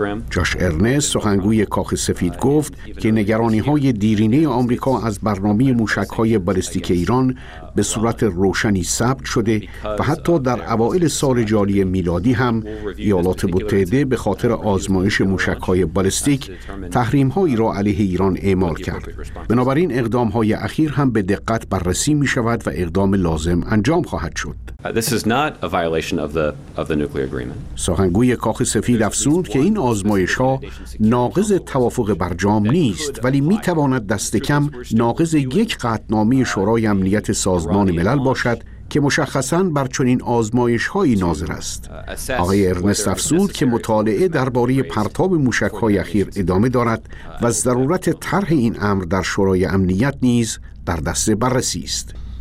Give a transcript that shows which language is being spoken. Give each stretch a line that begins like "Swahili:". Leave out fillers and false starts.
Persian: جاش ارنست، سخنگوی کاخ سفید، گفت که نگرانی‌های دیرینه آمریکا از برنامه موشک‌های بالستیک ایران به صورت روشنی ثبت شده و حتی در اوائل سال جاری میلادی هم ایالات متحده به خاطر آزمایش موشک‌های بالستیک تحریم‌هایی را علیه ایران اعمال کرد. بنابراین اقدام‌های اخیر هم به دقت بررسی می‌شود و اقدام لازم انجام خواهد شد.
English: This is not a violation of the nuclear agreement.
Persian: سخنگوی کاخ سفید افزود که این آزمایش‌ها ناقض توافق برجام نیست، ولی می‌تواند دست کم ناقض یک قطعنامه شورای امنیت سازمان ملل باشد که مشخصاً بر چنین آزمایش‌هایی ناظر است. آقای ارنست افسود که مطالعه درباره پرتاب موشک‌های اخیر ادامه دارد و ضرورت طرح این امر در شورای امنیت نیز در دست بررسی است.